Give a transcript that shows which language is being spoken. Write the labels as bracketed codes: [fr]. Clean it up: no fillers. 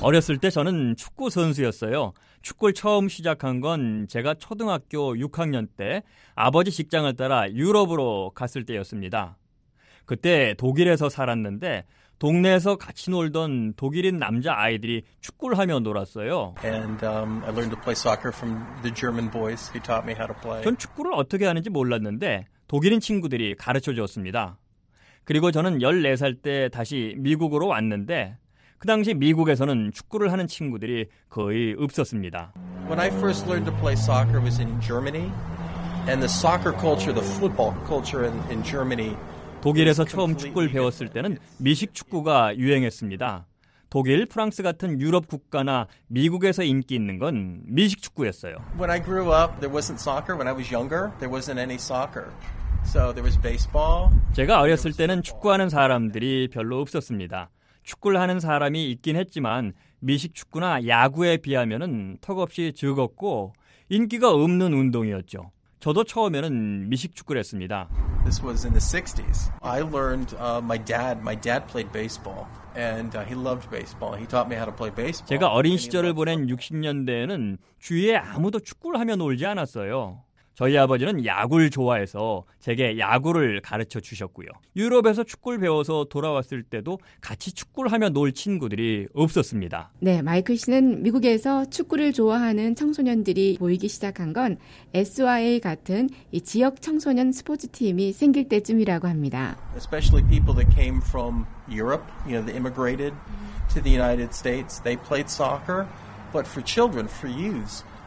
[ko] 어렸을 때 저는 축구 선수였어요. 축구를 처음 시작한 건 제가 초등학교 6학년 때 아버지 직장을 따라 유럽으로 갔을 때였습니다. 그때 독일에서 살았는데 동네에서 같이 놀던 독일인 남자 아이들이 축구를 하며 놀았어요. [en] And I learned to play soccer from the German boys who taught me how to play. [ko] 전 축구를 어떻게 하는지 몰랐는데 독일인 친구들이 가르쳐 주었습니다. 그리고 저는 14살 때 다시 미국으로 왔는데 그 당시 미국에서는 축구를 하는 친구들이 거의 없었습니다. [en] When I first learned to play soccer was in Germany and the soccer culture, the football culture in Germany. [ko] 독일에서 처음 축구를 배웠을 때는 미식 축구가 유행했습니다. 독일, 프랑스 같은 유럽 국가나 미국에서 인기 있는 건 미식 축구였어요. [en] When I grew up, there wasn't soccer. When I was younger, there wasn't any soccer. So there was baseball. [ko] 제가 어렸을 때는 축구하는 사람들이 별로 없었습니다. 축구를 하는 사람이 있긴 했지만 미식 축구나 야구에 비하면은 턱없이 적었고 인기가 없는 운동이었죠. 저도 처음에는 미식 축구를 했습니다. [en] This was in the 60s. I learned my dad played baseball and he loved baseball. He taught me how to play baseball. [ko] 제가 어린 시절을 보낸 60년대에는 주위에 아무도 축구를 하며 놀지 않았어요. 저희 아버지는 야구를 좋아해서 제게 야구를 가르쳐 주셨고요. 유럽에서 축구를 배워서 돌아왔을 때도 같이 축구를 하며 놀 친구들이 없었습니다. 네, 마이클 씨는 미국에서 축구를 좋아하는 청소년들이 모이기 시작한 건 SYA 같은 이 지역 청소년 스포츠팀이 생길 때쯤이라고 합니다. [en] Especially people that came from Europe, you know, they immigrated to the United States. They played soccer, but for children, for youths.